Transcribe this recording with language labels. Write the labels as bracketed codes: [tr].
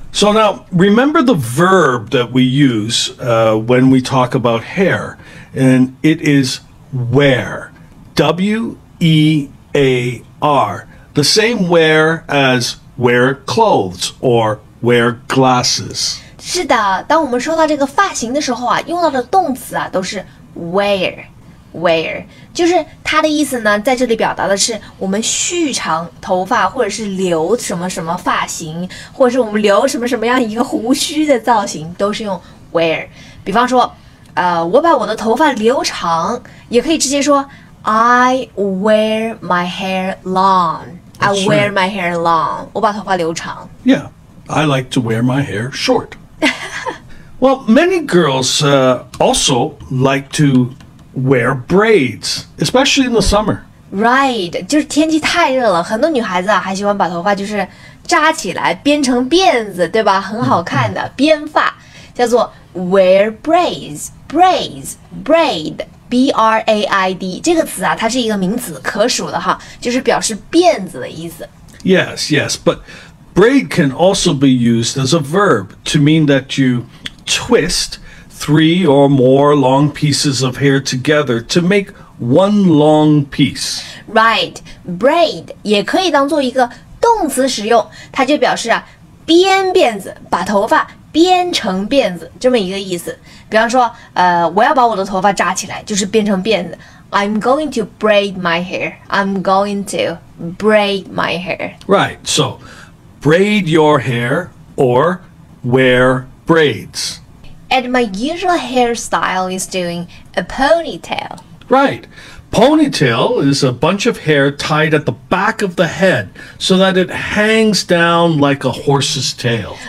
[en] So now, remember the verb that we use when we talk about hair. And it is wear. W-E-A-R. The same wear as wear clothes or wear glasses. [zh] 是的，当我们说到这个发型的时候啊，用到的动词啊，都是 wear. Wear 就是它的意思呢，在这里表达的是我们蓄长头发，或者是留什么什么发型，或者是我们留什么什么样一个胡须的造型，都是用 wear。比方说，我把我的头发留长，也可以直接说 [en] I wear my hair long. I wear my hair long. [zh] 我把头发留长。 [en] Yeah, I like to wear my hair short. Well, many girls also like to wear braids, especially in the summer. [zh] Right, 就是天气太热了，很多女孩子啊还喜欢把头发就是扎起来，编成辫子，对吧？很好看的编发，叫做 wear braids, braids, braid, B-R-A-I-D. 这个词啊，它是一个名词，可数的哈，就是表示辫子的意思。 [en] Yes, yes, but braid can also be used as a verb to mean that you twist three or more long pieces of hair together to make one long piece. [zh] Right, braid 也可以当作一个动词使用，它就表示啊，编辫子，把头发编成辫子，这么一个意思。比方说，我要把我的头发扎起来，就是编成辫子。 [en] I'm going to braid my hair. I'm going to braid my hair. Right, so braid your hair or wear braids. And my usual hairstyle is doing a ponytail. Right. Ponytail is a bunch of hair tied at the back of the head so that it hangs down like a horse's tail.